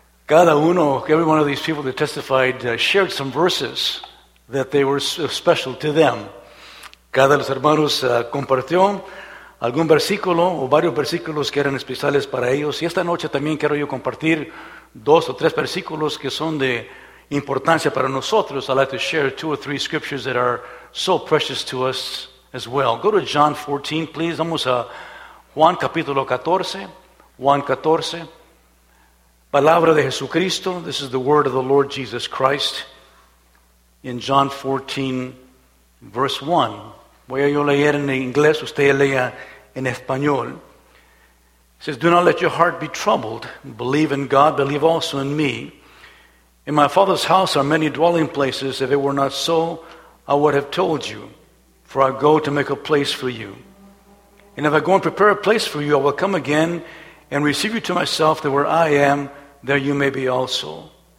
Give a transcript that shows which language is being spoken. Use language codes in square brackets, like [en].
[es] Cada uno, [en] every one of these people that testified, shared some verses that they were so special to them. [es] Cada los hermanos compartió algún versículo o varios versículos que eran especiales para ellos. Y esta noche también quiero yo compartir dos o tres versículos que son de importancia para nosotros. [en] I'd like to share two or three scriptures that are so precious to us as well. Go to John 14, please. [es] Vamos a Juan capítulo 14. Juan 14. Palabra de Jesucristo. [en] This is the word of the Lord Jesus Christ. In John 14, verse 1. [es] Voy a yo leer en inglés, usted lea en español. [en] It says, "Do not let your heart be troubled. Believe in God, believe also in me. In my Father's house are many dwelling places. If it were not so, I would have told you. For I go to make a place for you. And if I go and prepare a place for you, I will come again and receive you to myself, that where I am, there you may be also.